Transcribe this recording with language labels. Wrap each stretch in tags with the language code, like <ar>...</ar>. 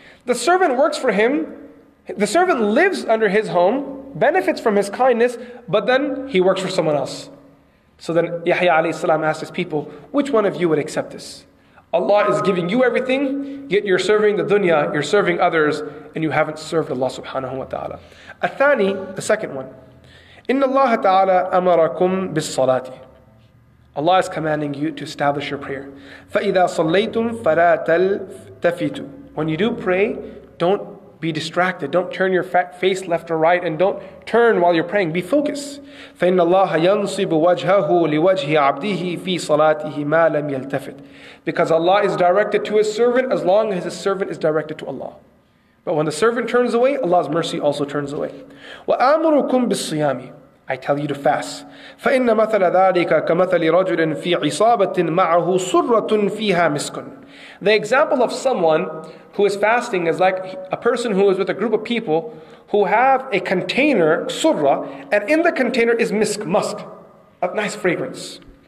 <en>The servant works for him. The servant lives under his home, benefits from his kindness, but then he works for someone else. So then Yahya alayhi salam asked his people, which one of you would accept this? Allah is giving you everything, yet you're serving the dunya, you're serving others, and you haven't served Allah subhanahu wa ta'ala. Athani, the second one.</en> <ar>إن الله تعالى أمركم بالصلاة.</ar> <en>Allah is commanding you to establish your prayer.</en> <ar>فإذا صليتم فلا تلتفتوا.</ar> <en>When you do pray, don't be distracted. Don't turn your face left or right and don't turn while you're praying. Be focused.</en> <ar>فإن الله ينصب وجهه لوجه عبده في صلاته ما لم يلتفت.</ar> <en>Because Allah is directed to His servant as long as His servant is directed to Allah. But when the servant turns away, Allah's mercy also turns away.</en> <ar>وَآمُرُكُمْ بِالصِّيَامِ.</ar> <en>I tell you to fast.</en> <ar>فَإِنَّ مَثَلَ ذَٰلِكَ كَمَثَلِ رَجُلٍ فِي عِصَابَةٍ مَعَهُ سُرَّةٌ فِيهَا مِسْكٌ.</ar> <en>The example of someone who is fasting is like a person who is with a group of people who have a container, surra, and in the container is musk, a nice fragrance.</en>